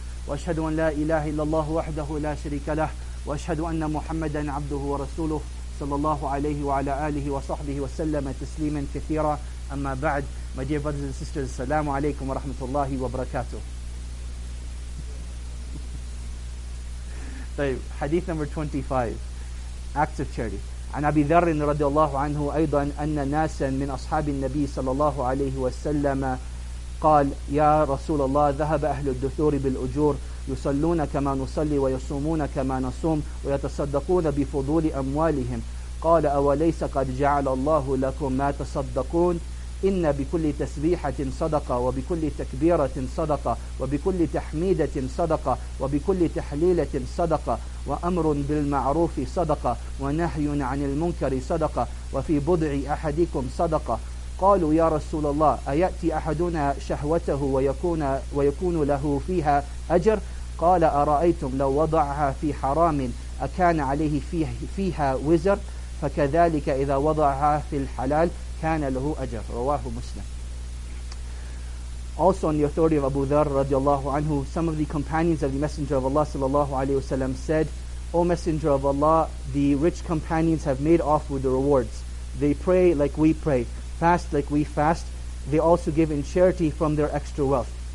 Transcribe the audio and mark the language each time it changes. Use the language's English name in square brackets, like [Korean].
[Arabic] وأشهد أن لا إله إلا الله وحده لا شريك له. وأشهد أن محمدا عبده ورسوله صلى الله عليه وعلى آله وصحبه وسلم تسليما كثيرا. أما بعد, [English] my dear brothers and sisters, [Arabic] السلام عليكم ورحمة الله وبركاته. طيب, حديث [English] number 25, acts of charity. [Arabic] عن أبي ذر رضي الله عنه أيضا أن ناسا من أصحاب النبي صلى الله عليه وسلم قال يا رسول الله ذهب أهل الدثور بالأجور يصلون كما نصلي ويصومون كما نصوم ويتصدقون بفضول أموالهم قال أوليس قد جعل الله لكم ما تصدقون إن بكل تسبيحة صدقة وبكل تكبيرة صدقة وبكل تحميدة صدقة وبكل تحليلة صدقة وأمر بالمعروف صدقة ونهي عن المنكر صدقة وفي بضع أحدكم صدقة قالوا يا رسول الله أيأتي أحدنا شهوته ويكون له فيها أجر قال أرأيتم لو وضعها في حرام أكان عليه فيها وزر فكذلك إذا وضعها في الحلال كان له أجر رواه مسلم. [English] Also on the authority of Abu Dharr radiallahu anhu, some of the companions of the Messenger of Allah sallallahu alayhi wa sallam said, O Messenger of Allah, the rich companions have made off with the rewards. They pray like we pray, fast like we fast. They also give in charity from their extra wealth.